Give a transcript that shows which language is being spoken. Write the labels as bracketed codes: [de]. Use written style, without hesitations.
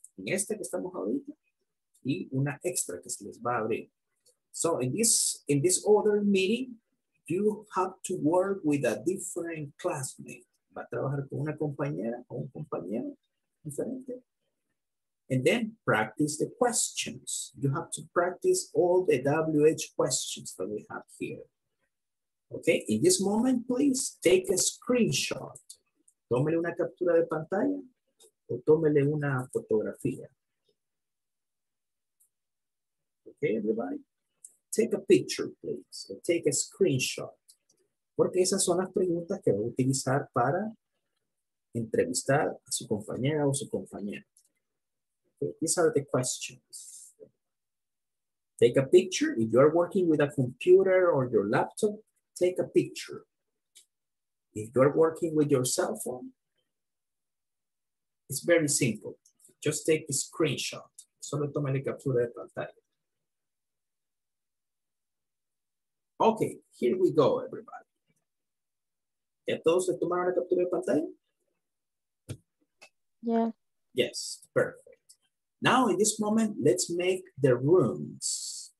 [es] En esta que estamos ahorita y una extra que se les va a abrir. [en] So in this other meeting, you have to work with a different classmate. [es] Va a trabajar con una compañera o un compañero diferente. [en] And then practice the questions. You have to practice all the WH questions that we have here. Okay, in this moment, please take a screenshot. [es] Tómele una captura de pantalla o tómele una fotografía. [en] okay, everybody? Take a picture, please, or take a screenshot. [es] Porque esas son las preguntas que va a utilizar para entrevistar a su compañera o su compañero. [en] Okay, these are the questions. Take a picture. If you are working with a computer or your laptop, take a picture. If you are working with your cell phone, it's very simple. Just take a screenshot. [es] Solo toma la captura de pantalla. [en] Okay, here we go, everybody. [es] ¿Ya todos se tomaron la captura de pantalla? [en] Yeah. Yes, perfect. Now, in this moment, let's make the rooms.